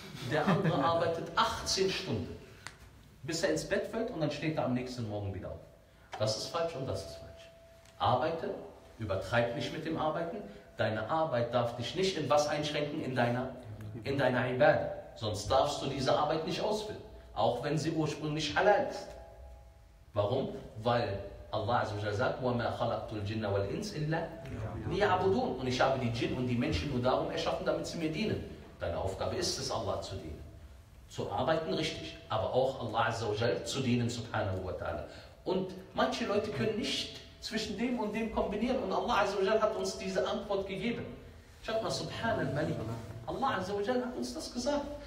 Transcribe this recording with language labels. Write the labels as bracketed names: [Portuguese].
[German] Der andere arbeitet 18 Stunden, bis er ins Bett fällt und dann steht er am nächsten Morgen wieder auf. Das ist falsch und das ist falsch. Arbeite, übertreib nicht mit dem Arbeiten. Deine Arbeit darf dich nicht in was einschränken? In deiner Ibadah. Sonst darfst du diese Arbeit nicht ausführen, auch wenn sie ursprünglich halal ist. Warum? Weil Allah sagt, [Arabic] وَمَا خَلَقْتُ الْجِنَّ وَالْإِنْسِ إِلَّا لِيَعْبُدُونَ. [German] Und ich habe die Jinn und die Menschen nur darum erschaffen, damit sie mir dienen. Deine Aufgabe ist es, Allah zu dienen. Zu arbeiten, richtig. Aber auch Allah zu dienen, subhanahu wa ta'ala. Und manche Leute können nicht zwischen dem und dem kombinieren. Und Allah hat uns diese Antwort gegeben. Schaut mal, subhanahu wa ta'ala. Allah hat uns das gesagt.